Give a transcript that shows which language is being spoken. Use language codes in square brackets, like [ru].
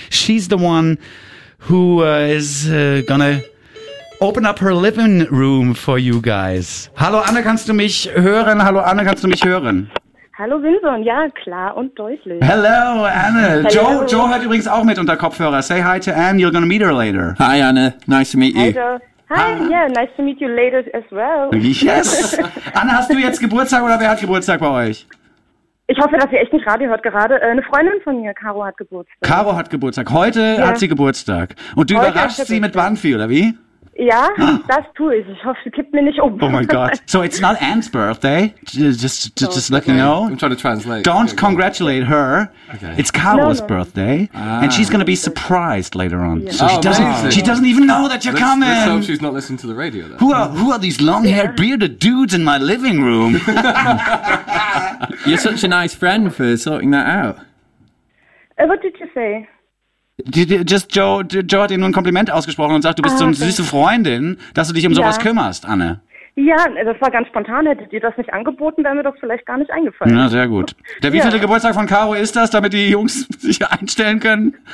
[en] She's the one who is gonna open up her living room for you guys. [de] Hallo Anne, kannst du mich hören? Hallo Anne, kannst du mich hören? Hallo Wilson, ja, klar und deutlich. [en] Hello Anne. Hello. [de] Joe hört übrigens auch mit unter Kopfhörer. [en] Say hi to Anne, you're gonna meet her later. Hi Anne, nice to meet you. Hi Joe. Hi, yeah, nice to meet you later as well. [de] Yes. Anne, hast du jetzt Geburtstag oder wer hat Geburtstag bei euch? Ich hoffe, dass ihr echt nicht Radio hört gerade. Eine Freundin von mir, Caro, hat Geburtstag. Caro hat Geburtstag. Heute hat sie Geburtstag. Und du überraschst sie mit Banffy, oder wie? Ja, das tue ich. Ich hoffe, sie kippt mir nicht um. Oh mein Gott. [en] So it's not Anne's birthday. Just let you know. I'm trying to translate. Don't congratulate her. Okay. It's Caro's birthday. And she's going to be surprised later on. Yeah. So she doesn't even know that you're coming. Let's hope she's not listening to the radio, though. Who are these long-haired, bearded dudes in my living room? You're such a nice friend for sorting that out. What did you say? [de] Just Joe hat dir nur ein Kompliment ausgesprochen und sagt, du bist so eine süße Freundin, dass du dich um sowas kümmerst, Anne. Ja, das war ganz spontan. Hättet ihr das nicht angeboten, wäre mir das vielleicht gar nicht eingefallen. Na, sehr gut. Der wievielte Geburtstag von Caro ist das, damit die Jungs sich einstellen können?